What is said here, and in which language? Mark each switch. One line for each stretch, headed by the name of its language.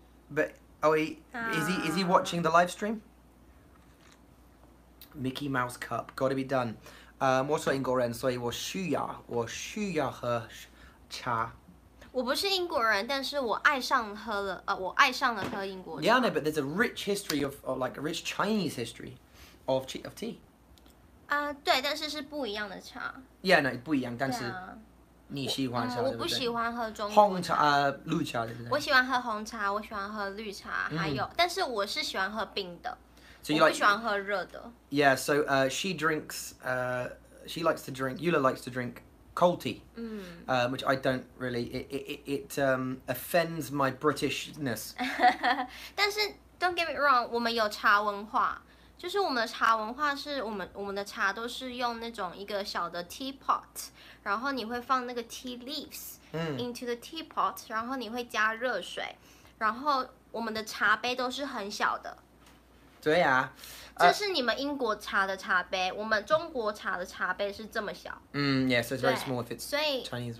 English: But oh, is he watching the live stream? Mickey Mouse Cup, gotta be done.
Chinese: 我说英国人，所以我需要喝茶。我不是英国人，但是我爱上喝了，我爱上了喝英国茶。
English: Yeah, no, but there's a rich history of, or like a rich Chinese history of tea. 啊、
Chinese: 对，但是是不一样的茶。
English: Yeah, no,
Chinese: 不一样，但是你喜欢茶，我不喜欢喝中国红茶、绿茶，对不对？我喜欢喝红茶，我喜欢喝绿茶，还有，但是我是喜欢喝冰的。
English: So you like,
Chinese: 我不喜欢喝热的。
English: Yeah, so she drinks, she likes to drink, Yula likes to drink cold tea,、which I don't really, it offends my Britishness.
Chinese: 但是
English: don't get me wrong,
Chinese: 我们有茶文化，就是我们的茶文化是我们的茶都是用那种一个小的 teapot, 然后你会放那个
English: tea leaves into the teapot,
Chinese: 然后你会加热水，然后我们的茶杯都是很小的。对啊，这是你们英国茶的茶杯，我们中国茶的茶杯是这么小。
English: Yeah, so it's very small if it's Chinese, right?